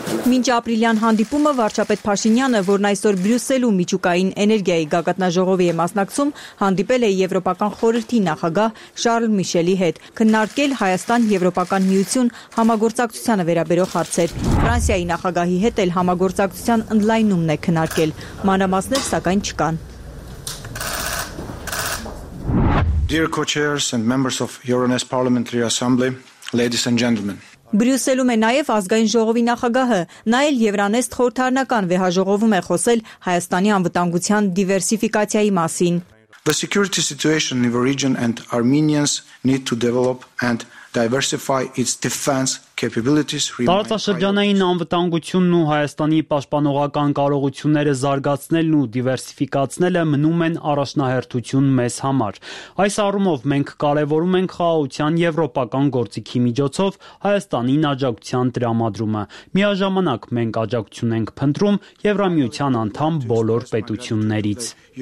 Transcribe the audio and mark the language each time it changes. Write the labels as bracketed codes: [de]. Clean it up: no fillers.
[hy] Մինչ ապրիլյան հանդիպումը վարչապետ Փաշինյանը, որն այսօր Բրյուսելում միջուկային էներգիայի գագաթնաժողովի է մասնակցում, հանդիպել է Եվրոպական խորհրդի նախագահ Շարլ Միշելի հետ, քննարկել Հայաստան-Եվրոպական միություն համագործակցությանը վերաբերող հարցեր։ Ֆրանսիայի նախագահի հետ էլ համագործակցության ընդլայնումն է քննարկել, մանրամասներ սակայն չկան։ [en] Dear co-chairs and members of Euronest Parliamentary Assembly, ladies and gentlemen. [hy] Բրյուսելում է նաև ազգային ժողովի նախագահը, նա էլ Եվրանեստ խորհրդարանական վեհաժողովում է խոսել Հայաստանի անվտանգության դիվերսիֆիկացիայի մասին։ [en] The security situation in the region and Armenians need to develop and diversify its defense capabilities. [hy] Տարածաշրջանային անվտանգությունն ու Հայաստանի պաշտպանողական կարողությունները զարգացնելն ու դիվերսիֆիկացնելը մնում են առաջնահերթություն մեզ համար։ Այս առումով մենք կարևորում ենք խաղաղության եվրոպական գործիքի միջոցով Հայաստանին աջակցության դրամադրումը։ Միաժամանակ մենք աջակցություն ենք փնտրում Եվրամիության անդամ բոլոր պետություններից։